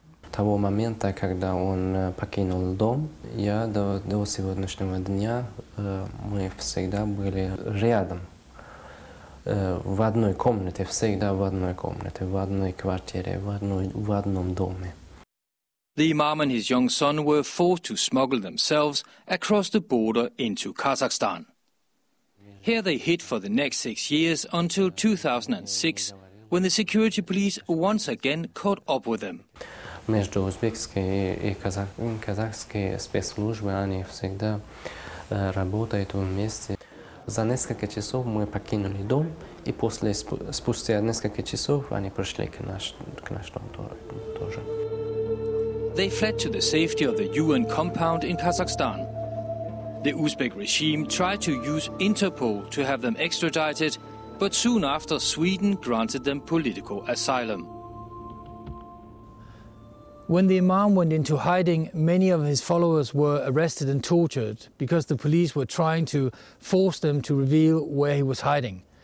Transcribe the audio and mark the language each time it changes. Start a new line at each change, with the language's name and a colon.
Russian: С того момента, когда он покинул дом, я до сегодняшнего дня, мы всегда были рядом. В одной комнате, всегда в одной комнате, в одной квартире, в одном доме.
English: The imam and his young son were forced to smuggle themselves across the border into Kazakhstan. Here they hid for the next 6 years until 2006, when the security police once again caught up with them.
Russian: Между узбекской и казахской спецслужбы они всегда работают вместе. За несколько часов мы покинули дом, и после спустя несколько часов они пришли к нашему дому тоже.
English: They fled to the safety of the UN compound in Kazakhstan. The Uzbek regime tried to use Interpol to have them extradited, but soon after Sweden granted them political asylum. When the imam went into hiding, many of his followers were arrested and tortured because the police were trying to force them to reveal where he was hiding.